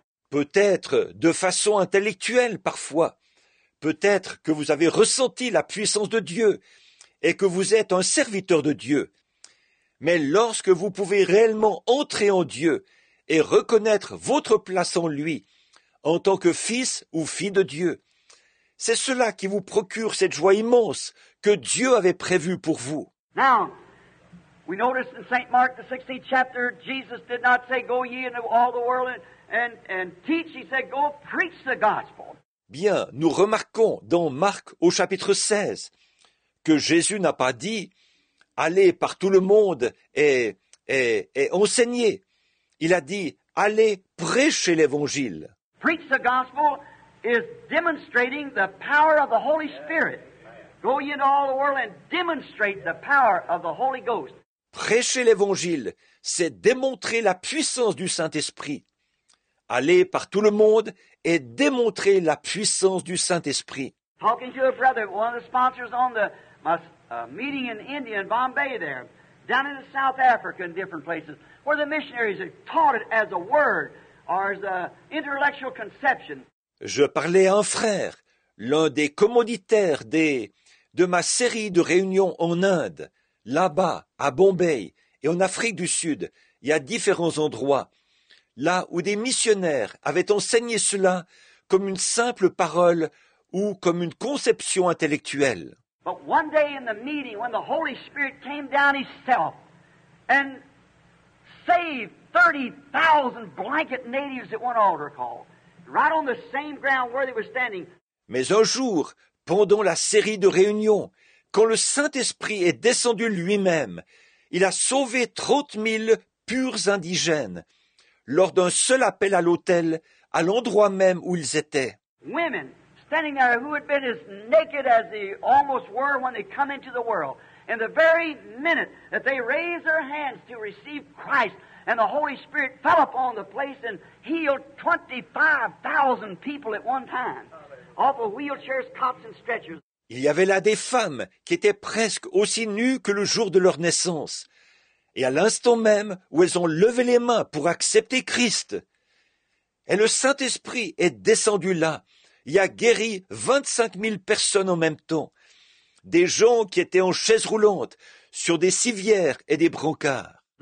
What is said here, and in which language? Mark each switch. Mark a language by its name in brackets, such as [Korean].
[French] Peut-être de façon intellectuelle parfois. Peut-être que vous avez ressenti la puissance de Dieu et que vous êtes un serviteur de Dieu. Mais lorsque vous pouvez réellement entrer en Dieu et reconnaître votre place en lui, en tant que fils ou fille de Dieu, c'est cela qui vous procure cette joie immense que Dieu avait prévue pour vous. [English] Now, we notice in Saint Mark, the 16th chapter, Jesus did not say, go ye into all the world and teach. He said, go preach the gospel. [French] Bien, nous remarquons dans Marc au chapitre 16 que Jésus n'a pas dit « Allez par tout le monde et enseignez ». Il a dit « Allez prêcher l'Évangile ». [English] Preach the gospel is demonstrating the power of the Holy Spirit. Go ye into all the world and demonstrate the power of the Holy Ghost. [French] Prêcher l'Évangile, c'est démontrer la puissance du Saint-Esprit. Aller par tout le monde et démontrer la puissance du Saint-Esprit. [English] Talking to a brother, one of the sponsors on the meeting in India, in Bombay there, down in the South Africa in different places, where the missionaries had taught it as a word or as an intellectual conception. [French] Je parlais à un frère, l'un des commanditaires de ma série de réunions en Inde, là-bas, à Bombay, et en Afrique du Sud, et à différents endroits, là où des missionnaires avaient enseigné cela comme une simple parole ou comme une conception intellectuelle. [English] But one day in the meeting, when the Holy Spirit came down himself and saved 30,000 blanket natives at one altar call, right on the same ground where they were standing. [French] Mais un jour, pendant la série de réunions, quand le Saint-Esprit est descendu lui-même, il a sauvé 30,000 purs indigènes lors d'un seul appel à l'autel, à l'endroit même où ils étaient. [English] Women standing there who had been as naked as they almost were when they come into the world. And the very minute that they raised their hands to receive Christ, and the Holy Spirit fell upon the place and healed 25,000 people at one time. Off of wheelchairs, cots and stretchers. [French] Il y avait là des femmes qui étaient presque aussi nues que le jour de leur naissance. Et à l'instant même où elles ont levé les mains pour accepter Christ, et le Saint-Esprit est descendu là, il a guéri 25,000 personnes en même temps, des gens qui étaient en chaise roulante, sur des civières et des brancards.